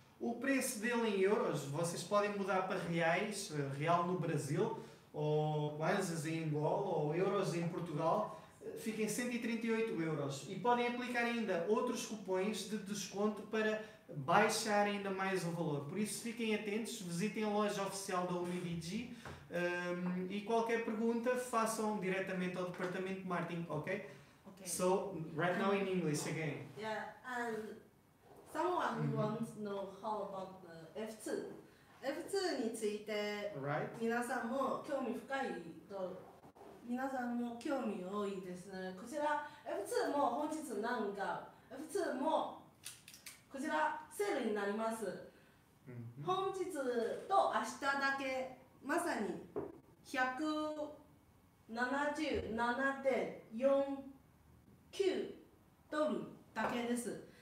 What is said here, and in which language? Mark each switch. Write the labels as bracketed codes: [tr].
[pt] O preço dele em euros, vocês podem mudar para reais, real no Brasil, ou kwanzas em Angola, ou euros em Portugal, fica em 138€. E podem aplicar ainda outros cupons de desconto para baixar ainda mais o valor. Por isso, fiquem atentos, visitem a loja oficial da Umidigi e qualquer pergunta façam diretamente ao departamento de marketing, ok? Ok. [en] So, right now in English again. Yeah, and someone wants to know how about the F2. [ja] F2 について皆さんも興味深いと皆さんも興味多いですね。こちら F2 も本日なんか F2 もこちらセールになります。本日と明日だけまさに177.49ドルだけです。